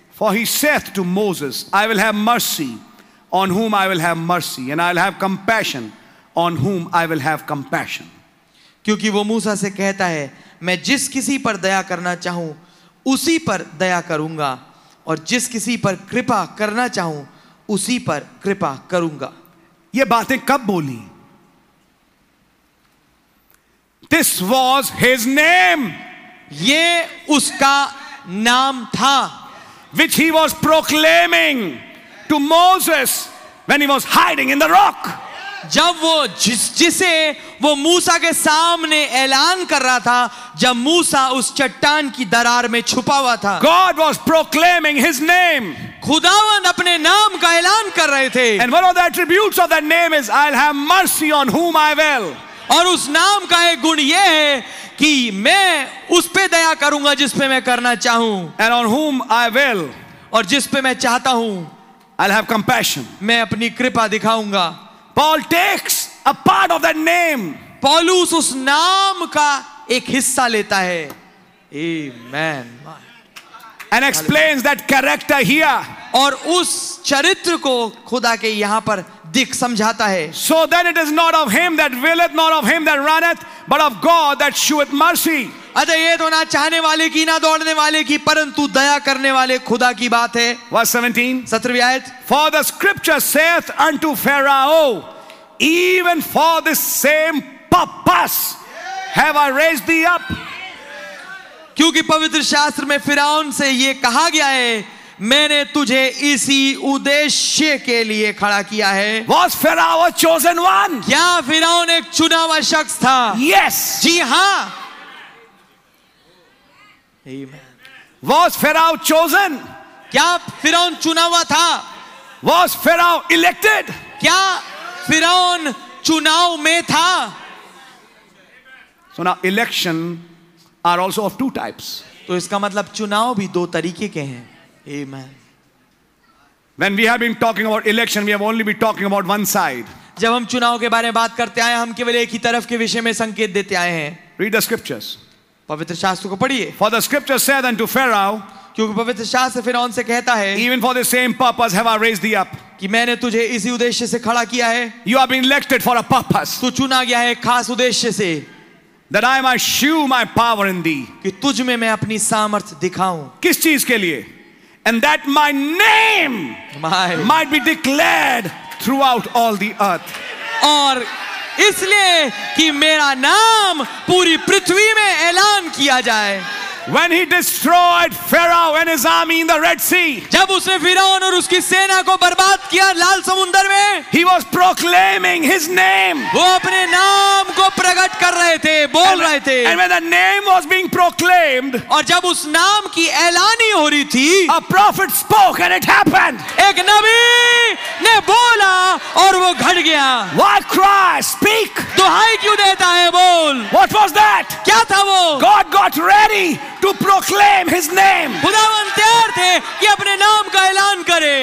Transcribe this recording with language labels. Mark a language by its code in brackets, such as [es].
[en] For he saith to Moses, I will have mercy on whom I will have mercy, and I will have compassion on whom I will have compassion. [hi] क्योंकि वो मूसा से कहता है, मैं जिस किसी पर दया करना चाहूं उसी पर दया करूंगा और जिस किसी पर कृपा करना चाहूं उसी पर कृपा करूंगा. ये बातें कब बोली? [en] This was his name. [hi] ये उसका नाम था. [en] Which he was proclaiming to Moses when he was hiding in the rock. [hi] जब वो जिसे वो मूसा के सामने ऐलान कर रहा था, जब मूसा उस चट्टान की दरार में छुपा हुआ था. [en] God was proclaiming his name. [hi] खुदावन अपने नाम का ऐलान कर रहे थे. [en] And one of the attributes of that name is I'll have mercy on whom I will. [hi] और उस नाम का एक गुण यह है कि मैं उस पे दया करूंगा जिस पे मैं करना चाहूं. [en] And on whom I will. [hi] और जिस पे मैं चाहता हूं. [en] I'll have compassion. [hi] मैं अपनी कृपा दिखाऊंगा. [en] Paul takes a part of that name. [hi] Paulus उस नाम का एक हिस्सा लेता है. Amen. [en] and explains that character here. [hi] और उस चरित्र को खुदा के यहाँ पर दिख समझाता है. [en] So then it is not of him that willeth, not of him that runneth, but of God that sheweth mercy. [hi] अतः ये तो ना चाहने वाले की ना दौड़ने वाले की परंतु दया करने वाले खुदा की बात है. [en] Verse 17. [hi] सत्रवीं आयत. [en] For the scripture saith unto Pharaoh, even for this same purpose have I raised thee up. [hi] क्योंकि पवित्र शास्त्र में फिराउन से ये कहा गया है, मैंने तुझे इसी उद्देश्य के लिए खड़ा किया है. [en] Was Pharaoh a chosen one? [hi] क्या फिराउन एक चुना हुआ शख्स था? [en] Yes. [hi] जी हाँ. [en] Was Pharaoh chosen? [hi] क्या फिराउन चुना हुआ था? [en] Was Pharaoh elected? [hi] क्या फिराउन चुनाव में था? [en] So now election are also of two types. [hi] तो इसका मतलब चुनाव भी दो तरीके के हैं. [en] Amen. When we have been talking about election, we have only been talking about one side. [hi] जब हम चुनाव के बारे में बात करते आए, हम केवल एक ही तरफ के विषय में संकेत देते आए हैं. [en] Read the scriptures. [hi] पवित्र शास्त्र को पढ़िए. [en] For the scripture said unto Pharaoh, [hi] क्योंकि पवित्र शास्त्र फिरौन से कहता है, [en] even for the same purpose have I raised thee up. [hi] कि मैंने तुझे इसी उद्देश्य से खड़ा किया है. [en] You have been elected for a purpose. [hi] तू चुना गया है खास उद्देश्य से. [en] That I might show my power in thee. [hi] कि तुझ में मैं अपनी सामर्थ दिखाऊं. किस चीज के लिए? [en] And that my name might be declared throughout all the earth. [hi] और इसलिए कि मेरा नाम पूरी पृथ्वी में ऐलान किया जाए. [en] When he destroyed Pharaoh and his army in the Red Sea, [hi] जब उसने फिरौन और उसकी सेना को बर्बाद किया लाल समुंदर में, [en] he was proclaiming his name. [hi] वो अपने नाम को प्रकट कर रहे थे, बोल रहे थे. [en] And when the name was being proclaimed, [hi] और जब उस नाम की ऐलानी हो रही थी, [en] a prophet spoke and it happened. [hi] एक नबी ने बोला और वो घट गया. [en] Why cry? Speak. [hi] दुहाई क्यों देता है? बोल. [en] What was that? [hi] क्या था वो? [en] God got ready to proclaim his name. [hi] खुदावंद तैयार थे कि अपने नाम का ऐलान करे.